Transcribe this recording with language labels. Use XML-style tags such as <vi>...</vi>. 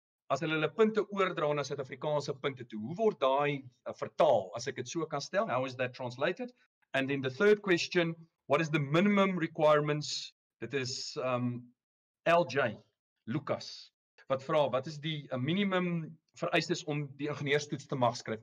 <af>As hulle hulle punte oordra na Suid-Afrikaanse punte toe, hoe word daai vertaal, as ek dit so kan stel?</af> <en>How is that translated? And then the third question, what is the minimum requirements?</en> <af>Dit is LJ, Lucas, wat vra, wat is die minimum vereistes om die ingenieurstoets te mag skryf?</af>